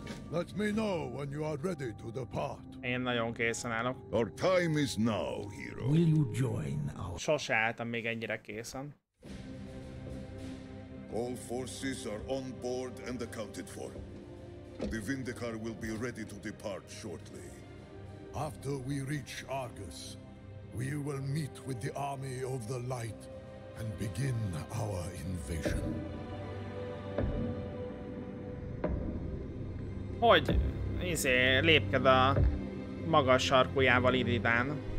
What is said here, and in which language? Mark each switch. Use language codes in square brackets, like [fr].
[en] Let me know when you are ready to depart. [hu] Én nagyon készen állok. [en] Our time is now, hero. Will you join our... [hu] Sose álltam még ennyire készen. [en] All forces are on board and accounted for. The Vindicar will be ready to depart shortly. After we reach Argus, we will meet with the Army of the Light and begin our invasion. [hu] Hogy lépked a magas sarkujával Illidán?